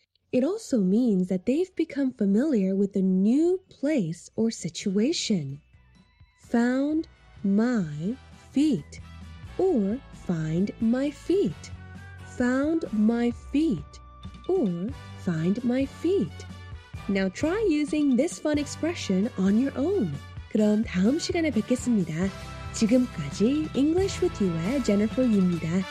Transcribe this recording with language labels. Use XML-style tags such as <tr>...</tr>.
<en>It also means that they've become familiar with a new place or situation. Found my feet or find my feet. Found my feet or find my feet. Now try using this fun expression on your own.</en> <ko>그럼 다음 시간에 뵙겠습니다. 지금까지 English with You의 Jennifer 입니다.</ko>